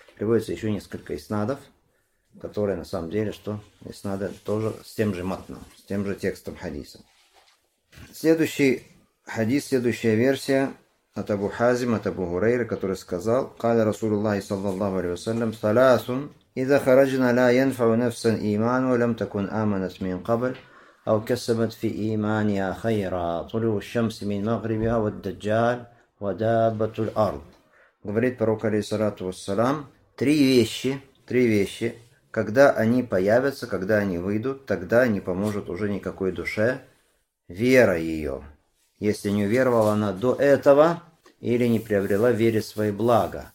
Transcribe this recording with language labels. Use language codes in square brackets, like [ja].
[ru] Приводится еще несколько иснадов, которые на самом деле, что иснады тоже с тем же матном, с тем же текстом хадиса. Следующий хадис, следующая версия от Абу Хазим, от Абу Хурейры, который сказал: [ar] «Каля Расулуллахи саллаллаху алейхи ва саллям, саласун, иза хараджна ла янфау нафсан иману, лям такун аманат мин кабль». أو كسبت في إيمانها خيرا طلوع الشمس من مغربها والدجال ودابة الأرض. [ru] Говорит пророк алейхиссалату вассалам, три вещи, когда они появятся, когда они выйдут, тогда не поможет уже никакой душе вера ее, если не уверовала она до этого или не приобрела в вере свои блага.